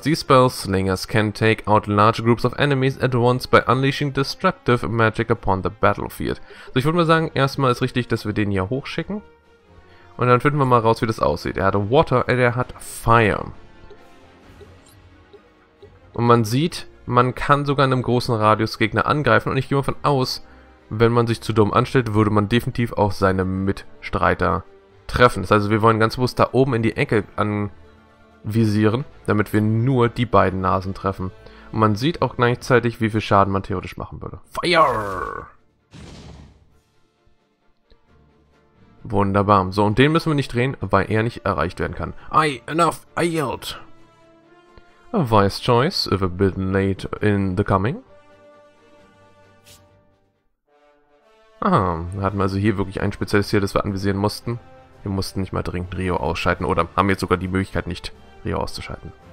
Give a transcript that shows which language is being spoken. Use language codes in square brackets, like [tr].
[en] These spells slingers can take out large groups of enemies at once by unleashing destructive magic upon the battlefield. [de] So, ich würde mal sagen, erstmal ist richtig, dass wir den hier hochschicken. Und dann finden wir mal raus, wie das aussieht. Er hat Water, er hat Fire. Und man sieht, man kann sogar in einem großen Radius Gegner angreifen. Und ich gehe mal davon aus, wenn man sich zu dumm anstellt, würde man definitiv auch seine Mitstreiter treffen. Das heißt, wir wollen ganz bewusst da oben in die Ecke anvisieren, damit wir nur die beiden Nasen treffen. Und man sieht auch gleichzeitig, wie viel Schaden man theoretisch machen würde. Fire! Wunderbar. So, und den müssen wir nicht drehen, weil er nicht erreicht werden kann. [en] I yield. A wise choice, if a bit late in the coming. [de] Aha, da hatten wir also hier wirklich ein spezielles Ziel, das wir anvisieren mussten. Wir mussten nicht mal dringend Rio ausschalten oder haben jetzt sogar die Möglichkeit, nicht Rio auszuschalten.